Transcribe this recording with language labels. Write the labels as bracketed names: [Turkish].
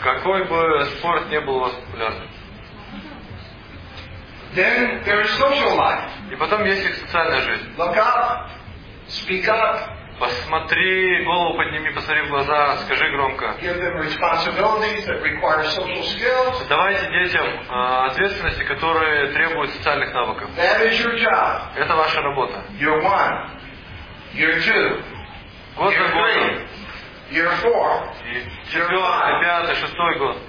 [Russian] Какой бы спорт ни был у вас популярным. [English] Then there is social life. [Russian] И потом есть их социальная жизнь. [English] Look up. Speak up. [Russian] Посмотри, голову подними, посмотри в глаза, скажи громко. [English] Give them responsibilities that require social skills. [Russian] Давайте детям ответственности, которые требуют социальных навыков. [English] That is your job. [Russian] Это ваша работа. [English] Year one. Year two. [Russian] Год за годом. [English] Year four. [Russian] Четвертый, пятый, шестой год.